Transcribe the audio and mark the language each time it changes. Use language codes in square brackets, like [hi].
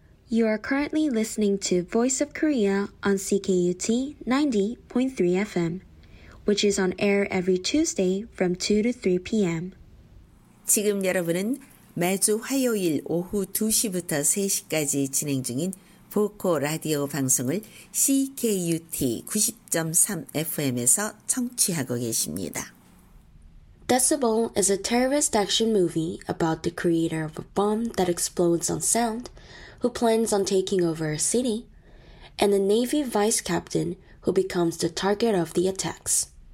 [en] You are currently listening to Voice of Korea on CKUT 90.3 FM, which is on air every Tuesday from 2 to 3pm. [ko] 지금 여러분은 매주 화요일 오후 2시부터 3시까지 진행 중인 보코 라디오 방송을 CKUT 90.3 FM에서 청취하고 계십니다. [en] Decibel is a terrorist action movie about the creator of a bomb that explodes on sound, who plans on taking over a city, and a Navy vice captain who becomes the target of the attacks.